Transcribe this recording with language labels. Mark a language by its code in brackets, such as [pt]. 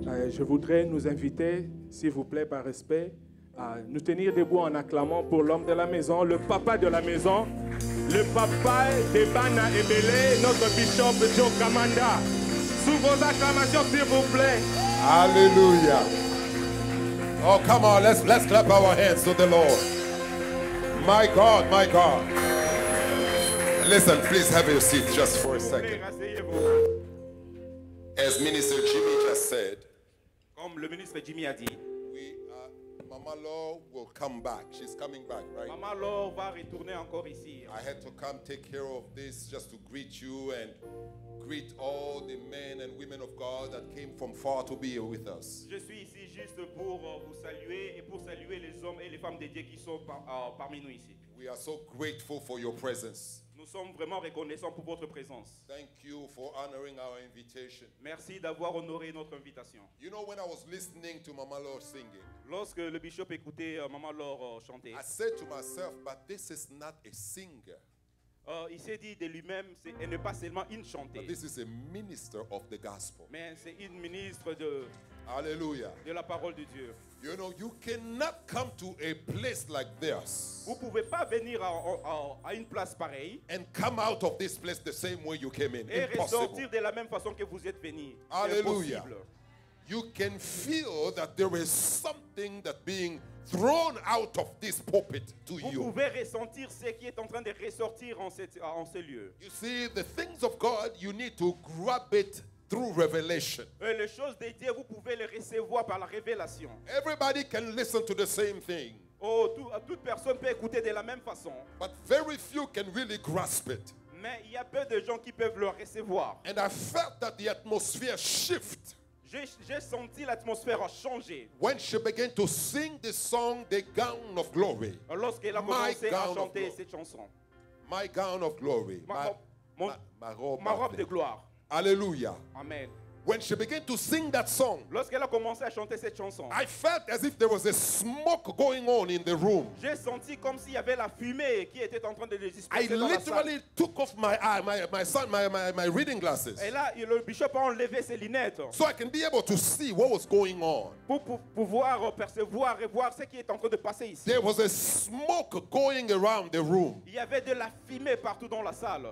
[fr] Je voudrais nous inviter, s'il vous plaît, par respect, à nous tenir debout en acclamant pour l'homme de la maison, le papa de la maison, le papa d'Ebana Ebele, notre Bishop Joe Kamanda. Sous vos acclamations, s'il vous plaît. Alléluia. [en] Oh, come on, let's clap our hands to the Lord. My God, my God. Listen, please have your seat just for a second. As Minister Jimmy just said, [fr] comme le ministre Jimmy a dit, [en] we are Mama Law will come back. She's coming back, right? [fr] Mama Law va retourner encore ici. [en] I had to come take care of this just to greet you and greet all the men and women of God that came from far to be here with us. [fr] Je suis ici juste pour vous saluer et pour saluer les hommes et les femmes de Dieu qui sont parmi nous ici. [en] We are so grateful for your presence. [fr] Nous sommes vraiment reconnaissants pour votre présence. [en] Thank you for honoring our invitation. [fr] Merci d'avoir honoré notre invitation. [en] You know, when I was listening to Mama Lord singing, [fr] lorsque le bishop écoutait Mama Lord chanter, [en] I said to myself, but this is not a singer. [fr] Il s'est dit de lui-même, elle n'est pas seulement une chanteuse. [en] But this is a minister of the gospel. [fr] Mais c'est une ministre de. Alléluia. De la parole de Dieu. [en] You know, you cannot come to a place like this. [fr] Vous pouvez pas venir à une place pareille. [en] And come out of this place the same way you came in. [fr] Et ressortir de la même façon que vous êtes venu. Alléluia. [en] You can feel that there is something that being thrown out of this pulpit to [fr] vous [en] you. [fr] Vous pouvez ressentir ce qui est en train de ressortir en ce lieu. [en] You see, the things of God, you need to grab it. Through revelation. [fr] Et les choses de Dieu, vous pouvez les recevoir par la révélation. [en] Everybody can listen to the same thing. [fr] Oh, toute personne peut écouter de la même façon. [en] But very few can really grasp it. [fr] Mais il y a peu de gens qui peuvent le recevoir. [en] And I felt that the atmosphere shift. [fr] J'ai senti l'atmosphère changer. [en] When she began to sing the song, the gown of glory. [fr] Lorsqu'elle a commencé à chanter cette chanson. [en] My gown of glory. [fr] Ma robe de gloire. Alléluia. Amen. [en] When she began to sing that song, [fr] lorsqu'elle a commencé à chanter cette chanson, [en] I felt as if there was a smoke going on in the room. [fr] J'ai senti comme s'il y avait la fumée qui était en train de disperser dans la salle. [en] I literally took off my reading glasses. [fr] Et là, le bishop a enlevé ses lunettes. [en] So I can be able to see what was going on. [fr] Pour pouvoir percevoir et voir ce qui est en train de passer ici. [en] There was a smoke going around the room. [fr] Il y avait de la fumée partout dans la salle.